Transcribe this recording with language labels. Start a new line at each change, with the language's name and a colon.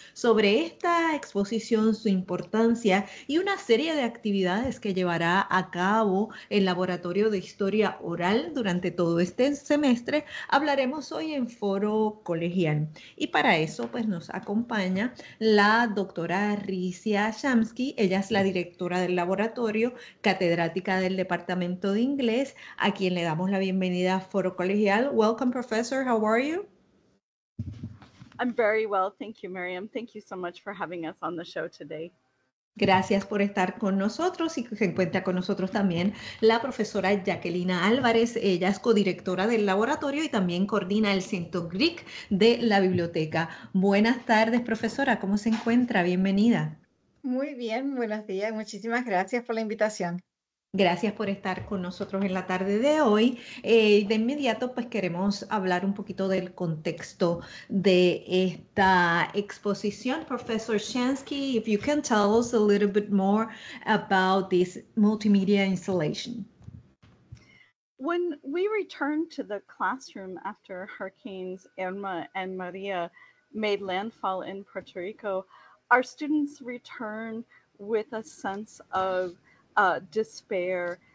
Spanish: Sobre esta exposición, su importancia y una serie de actividades que llevará a cabo el Laboratorio de Historia Oral durante todo este semestre, hablaremos hoy en Foro Colegial. Y para eso, pues nos acompaña la doctora Rizia Shamsky. Ella es la directora del laboratorio, catedrática del Departamento de Inglés, a quien le damos la bienvenida a Foro Colegial.
English: Welcome, professor. How are you? I'm very well. Thank you, Mariam. Thank you so much for having us on the show today.
Spanish: Gracias por estar con nosotros, y que se encuentra con nosotros también la profesora Jacquelina Álvarez. Ella es codirectora del laboratorio y también coordina el Centro Greek de la biblioteca. Buenas tardes, profesora. ¿Cómo se encuentra? Bienvenida. Muy bien. Buenos días. Muchísimas gracias por la invitación. Gracias por estar con nosotros en la tarde de hoy. De inmediato, pues queremos hablar un poquito del contexto de esta exposición.
English: Professor Shansky, if you can tell us a little bit more about this multimedia installation. When we returned to the classroom after Hurricanes Irma and Maria made landfall in Puerto Rico, our students returned with a sense of despair.